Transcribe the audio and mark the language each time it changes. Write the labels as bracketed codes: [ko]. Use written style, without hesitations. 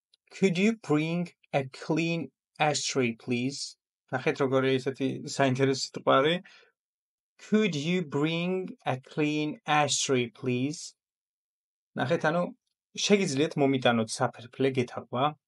[en] Could you bring a clean ashtray, please? [ka] ნახეთ როგორი ესეთი საინტერესო სიტყვარი. [en] Could you bring a clean ashtray, please? [ka] ნახეთ, ანუ შეგიძლიათ მომიტანოთ საფერფლე გეთაყვა.